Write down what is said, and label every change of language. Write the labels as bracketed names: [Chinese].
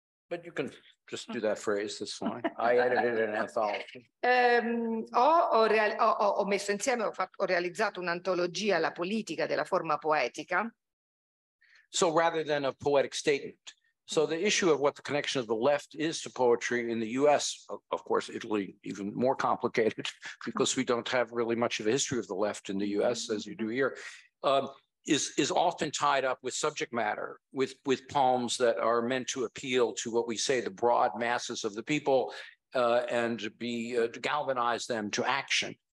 [English] But you can just do that phrase, that's fine. I edited an anthology. [Italian] Ho messo insieme, ho realizzato un'antologia, La politica della forma poetica. [English] So rather than a poetic statement. So the issue of what the connection of the left is to poetry in the US, of course, Italy, even more complicated because we don't have really much of a history of the left in the US as you do here, is often tied up with subject matter, with poems that are meant to appeal to what we say, the broad masses of the people, and to galvanize them to action.